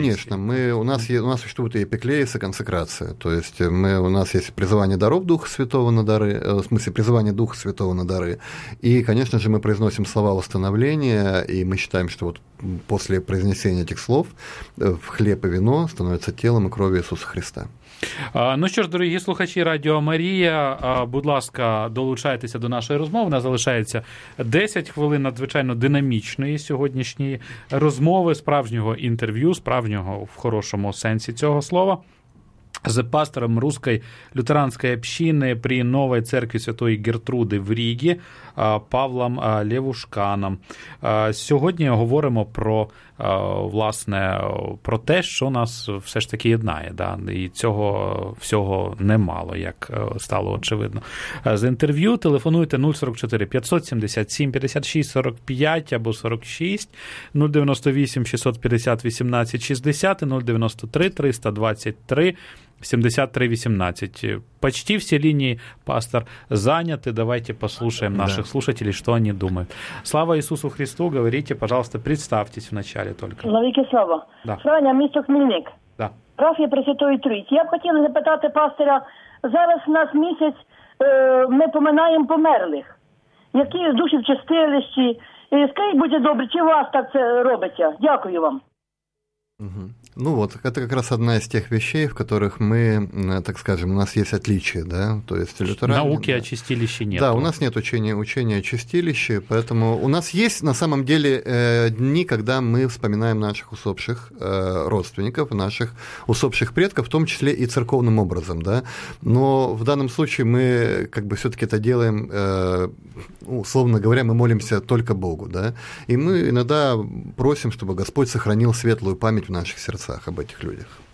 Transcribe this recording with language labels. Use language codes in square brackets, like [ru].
[ru] Конечно, у нас существует и эпиклеис, и консекрация. То есть у нас есть призывание даров Духа Святого на дары, в смысле призывание Духа Святого на дары. И, конечно же, мы произносим слова восстановления, и мы считаем, что вот после произнесения этих слов в хлеб и вино становится [uk] тілом і кров'ю Ісуса Христа. Ну що ж, дорогі слухачі Радіо Марія, будь ласка, долучайтеся до нашої розмови. У нас залишається 10 хвилин надзвичайно динамічної сьогоднішньої розмови, справжнього інтерв'ю, справжнього в хорошому сенсі цього слова, з пастором Руської лютеранської общини при Новій Церкві Святої Гертруди в Рігі Павлом Левушканом. Сьогодні говоримо про, власне, про те, що нас все ж таки єднає, да? І цього всього немало, як стало очевидно. З інтерв'ю телефонуйте 044-577-56-45 або 46, 098-650-18-60, 093-323-73-18. Почти всі лінії, пастор, зайняті. [ru] Давайте [uk] послухаємо наших [ru] слушателей, что они думают. Слава Иисусу Христу, говорите, пожалуйста, представьтесь вначале только. [uk] Славіки слава. Да. Франя, місто Хмельник. Да. Прав є Пресвятої Трійці. Я б хотіла запитати пастора, зараз у нас місяць ми поминаємо померлих. Які душі в чистилищі? І скажіть, будь добре, чи вас так це робиться? Дякую вам. Угу. [ru] Ну вот, это как раз одна из тех вещей, в которых мы, так скажем, у нас есть отличия, да, то есть лютеране. Науки о чистилище нет. Да, у нас нет учения о чистилище, поэтому у нас есть на самом деле дни, когда мы вспоминаем наших усопших родственников, наших усопших предков, в том числе и церковным образом, да, но в данном случае мы как бы все-таки это делаем, условно говоря, мы молимся только Богу, да, и мы иногда просим, чтобы Господь сохранил светлую память в наших сердцах об этих людях.